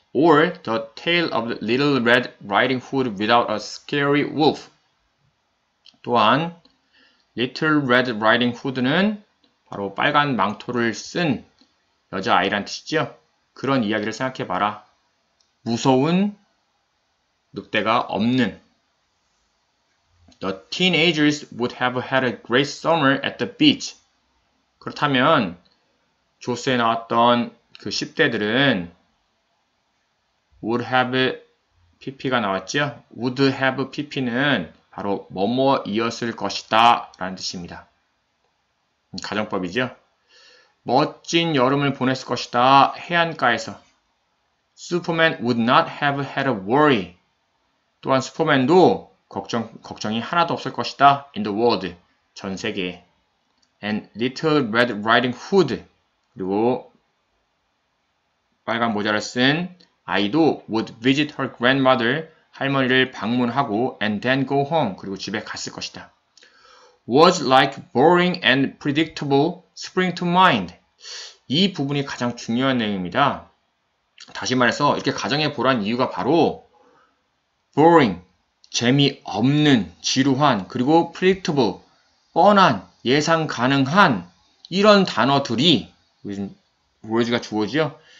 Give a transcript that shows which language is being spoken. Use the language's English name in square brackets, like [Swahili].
[English] Or the tale of the Little Red Riding Hood without a scary wolf. [Korean] 또한 Little Red Riding Hood는 바로 빨간 망토를 쓴 여자아이란 뜻이죠? 그런 이야기를 생각해 봐라. 무서운 늑대가 없는 [English] The teenagers would have had a great summer at the beach. [Korean] 그렇다면 조스에 나왔던 그 10대들은 would have PP가 나왔죠? would have PP는 바로 뭐뭐이었을 것이다 라는 뜻입니다. 가정법이죠. 멋진 여름을 보냈을 것이다. 해안가에서. [English] Superman would not have had a worry. [Korean] 또한 슈퍼맨도 걱정이 하나도 없을 것이다. [English] In the world. [Korean] 전 세계에. [English] And Little Red Riding Hood. [Korean] 그리고 빨간 모자를 쓴 아이도 [English] would visit her grandmother. [Korean] 할머니를 방문하고 [English] and then go home. [Korean] 그리고 집에 갔을 것이다. [English] Was like boring and predictable spring to mind. [Korean] 이 부분이 가장 중요한 내용입니다. 다시 말해서 이렇게 가정해 보란 이유가 바로 boring, 재미없는, 지루한, 그리고 predictable, 뻔한, 예상 가능한 이런 단어들이 무슨 워즈가 주어지죠?